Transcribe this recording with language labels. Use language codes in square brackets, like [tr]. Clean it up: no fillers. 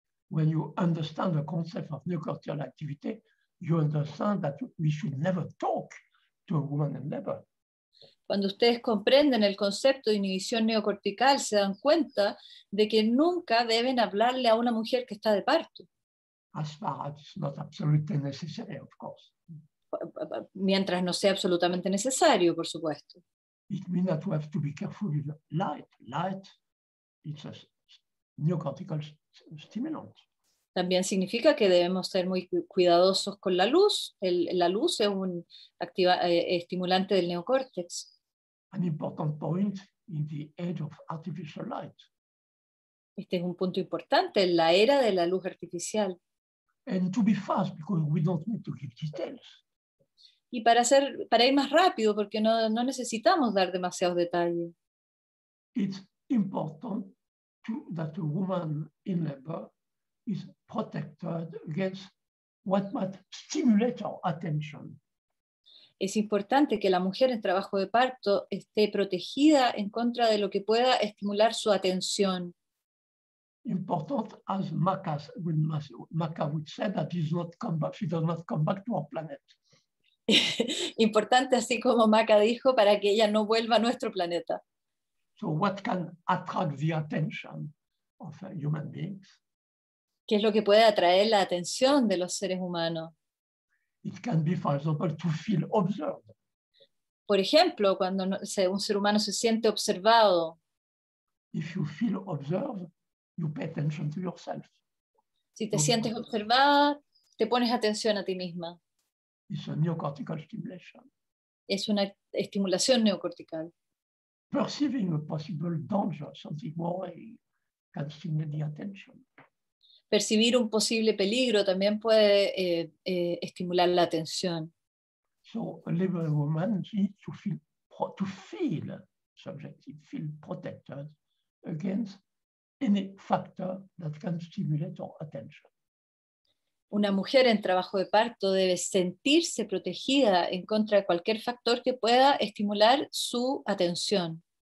[en] When you understand the concept of neocortical activity, you understand that we should never talk to a woman in labor. [es] Cuando ustedes comprenden el concepto de inhibición neocortical, se dan cuenta de que nunca deben hablarle a una mujer que está de parto. [en] As far as it's not absolutely necessary, of course. [es] Mientras no sea absolutamente necesario, por supuesto. [en] It means that we have to be careful with light. Light, it's a neocortical stimulant. [es] También significa que debemos ser muy cuidadosos con la luz. La luz es un estimulante del neocórtex. [en] An important point in the age of artificial light. [es] Este es un punto importante en la era de la luz artificial. [en] And to be fast because we don't need to give details. [es] Y para ir más rápido porque no necesitamos dar demasiados detalles. [en] It's important that a woman in labor is protected against what might stimulate our attention. [es] Es importante que la mujer en trabajo de parto esté protegida en contra de lo que pueda estimular su atención. [en] Important as Maka would say that she does not come back to our planet. [es] Importante así como Maka dijo para que ella no vuelva a nuestro planeta. [en] So what can attract the attention of human beings? [es] ¿Qué es lo que puede atraer la atención de los seres humanos? [en] It can be, for example, to feel observed. [es] Por ejemplo, cuando un ser humano se siente observado. [en] If you feel observed, you pay attention to yourself. [es] Si te sientes observada, te pones atención a ti misma. [en] It's a neocortical stimulation. [es] Es una estimulación neocortical. [en] Perceiving a possible danger, something worrying, can stimulate the attention. [es] Percibir un posible peligro también puede estimular la atención. [en] So a liberal woman needs to feel subjective, feel protected against any factor that can stimulate our attention. [es] Una mujer en trabajo de parto debe sentirse protegida en contra de cualquier factor que pueda estimular su atención.